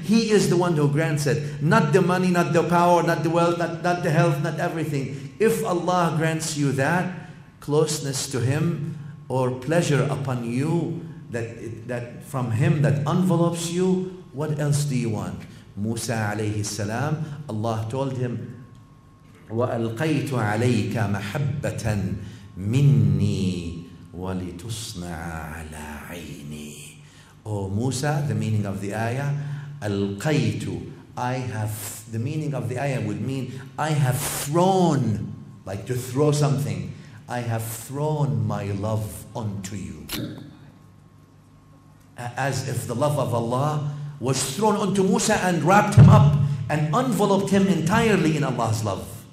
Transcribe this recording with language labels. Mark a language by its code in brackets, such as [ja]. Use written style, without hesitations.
[en] He is the one who grants it. Not the money, not the power, not the wealth, not the health, not everything. If Allah grants you that closeness to him, or pleasure upon you that from him that envelopes you, what else do you want? [ar] Musa alayhi salam, [en] Allah told him, [ar] وَأَلْقَيْتُ عَلَيْكَ مَحَبَّةً مِنِّي وَلِتُصْنَعَ عَلَىٰ عَيْنِي. [en] O Musa, the meaning of the ayah, أَلْقَيْتُ, I have, the meaning of the ayah would mean, I have thrown, like to throw something, I have thrown my love onto you. As if the love of Allah was thrown onto Musa and wrapped him up and enveloped him entirely in Allah's love.